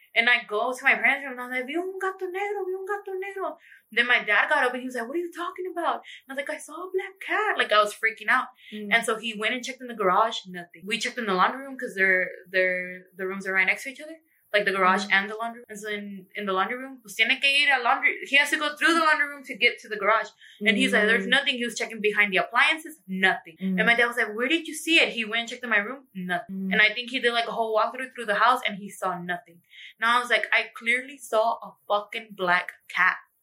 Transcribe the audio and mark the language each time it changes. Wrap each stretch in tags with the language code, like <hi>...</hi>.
<en>And I go to my parents' room. And I'm like,</en> <es>vi un gato negro.</es> <en>Then my dad got up and he was like, what are you talking about? And I was like, I saw a black cat. Like, I was freaking out. And so he went and checked in the garage. Nothing. We checked in the laundry room because the rooms are right next to each other. Like the garage and the laundry room. And so in the laundry room,</en> <es>pues tiene que ir a</es> <en>laundry. He has to go through the laundry room to get to the garage. And he's like, there's nothing. He was checking behind the appliances, nothing. And my dad was like, where did you see it? He went and checked in my room, nothing. And I think he did like a whole walkthrough through the house and he saw nothing. Now I was like, I clearly saw a fucking black cat.</en>